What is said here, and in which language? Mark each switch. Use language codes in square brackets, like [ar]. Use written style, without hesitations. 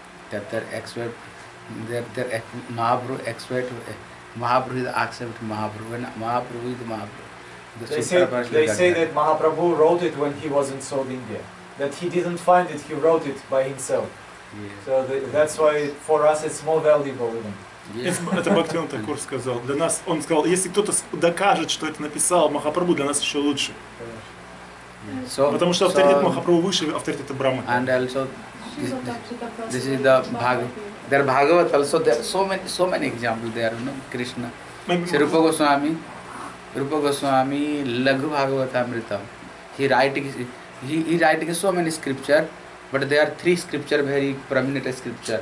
[en] That their expert, their Mahabhru expert, Mahabhru accept Mahabhru, Mahabhru with Mahabhru. They say that Mahaprabhu wrote it when he was in South India. That he didn't find it, he wrote it by himself. Yes. So that's why for us it's more valuable even. Yes. [ru] Это Бхактивинода Тхакур сказал. Для нас он сказал, если кто-то докажет, что это написал Махапрабху, для нас еще лучше. [en] So, [ru] потому что авторитет Махапрабху выше, авторитет Брахмы. [en] And also this is the Bhagavad. There Bhagavad also there so many examples there, no? Krishna. Sripa Goswami. Rupa Goswami Laghu Bhagavatamrita. He writing so many scriptures, but there are three scriptures, very prominent scriptures.